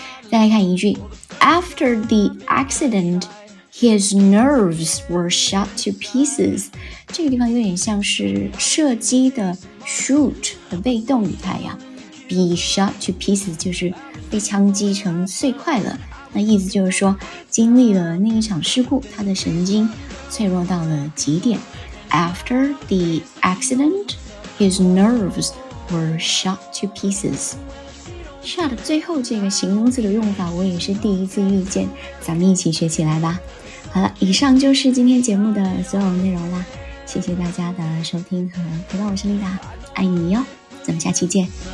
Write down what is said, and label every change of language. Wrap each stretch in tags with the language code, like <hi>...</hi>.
<zh>再来看一句，</zh> <en>After the accident, his nerves were shot to pieces.</en> <zh>这个地方有点像是射击的 shoot 的被动语态呀。</zh> <en>Be shot to pieces</en> <zh>就是被枪击成碎块了。那意思就是说，经历了那一场事故，他的神经脆弱到了极点。</zh> <en>After the accident, his nerves were shot to pieces.</en> <zh>Shot 最后这个形容词的用法我也是第一次遇见，咱们一起学起来吧。好了，以上就是今天节目的所有内容啦，谢谢大家的收听和陪伴，我是丽达，爱你哟，咱们下期见。</zh>